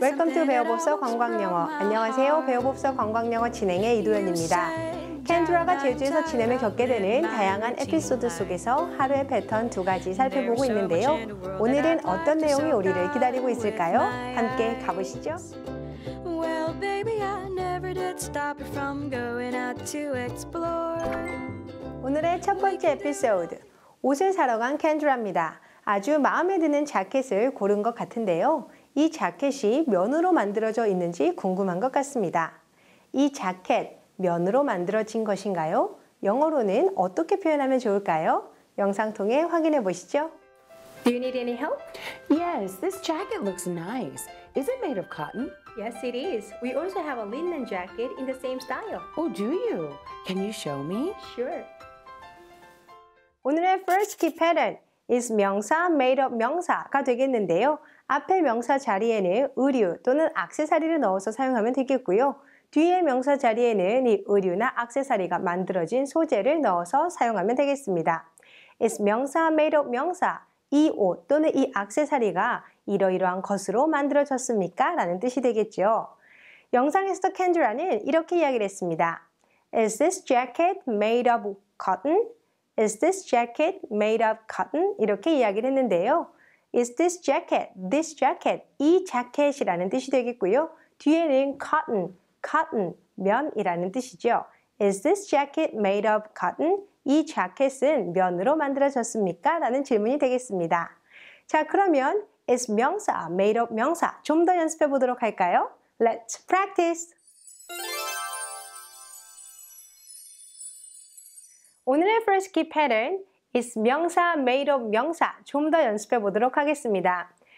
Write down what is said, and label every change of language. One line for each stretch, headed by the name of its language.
English: Welcome to
Korean: 배워봅서 관광영어. 안녕하세요. 배워봅서 관광영어 진행의 이도현입니다. 켄드라가 제주에서 지내며 겪게 되는 다양한 에피소드 속에서 하루의 패턴 두 가지 살펴보고 있는데요. 오늘은 어떤 내용이 우리를 기다리고 있을까요? 함께 가보시죠.
English: Well, baby, I never did stop you from going out to explore.
Korean: 오늘의 첫 번째 에피소드. 옷을 사러 간 켄드라입니다. 아주 마음에 드는 자켓을 고른 것 같은데요. 이 자켓이 면으로 만들어져 있는지 궁금한 것 같습니다. 이 자켓, 면으로 만들어진 것인가요? 영어로는 어떻게 표현하면 좋을까요? 영상 통해 확인해 보시죠.
English: Do you need any help? Yes, this jacket looks nice. Is it made of cotton? Yes, it is. We also have a linen jacket in the same style. Oh, do you? Can you show me? Sure.
Korean: 오늘의
English: first key pattern is
Korean: 명사 made of 명사가 되겠는데요. 앞에 명사 자리에는 의류 또는 악세사리를 넣어서 사용하면 되겠고요. 뒤에 명사 자리에는 이 의류나 악세사리가 만들어진 소재를 넣어서 사용하면 되겠습니다. is 명사 made of 명사. 이 옷 또는 이 악세사리가 이러이러한 것으로 만들어졌습니까? 라는 뜻이 되겠죠. 영상에서도 켄드라는 이렇게 이야기를 했습니다.
English: Is this jacket made of cotton? Is this jacket made of cotton?
Korean: 이렇게 이야기를 했는데요.
English: Is this jacket, this jacket,
Korean: 이 자켓이라는 뜻이 되겠고요. 뒤에는 cotton, cotton, 면이라는 뜻이죠.
English: Is this jacket made of cotton?
Korean: 이 자켓은 면으로 만들어졌습니까? 라는 질문이 되겠습니다. 자, 그러면 is 명사, made of 명사 좀 더 연습해 보도록 할까요?
English: Let's practice!
Korean: 오늘의
English: first key pattern is
Korean: 명사, made of 명사 좀 더 연습해 보도록 하겠습니다.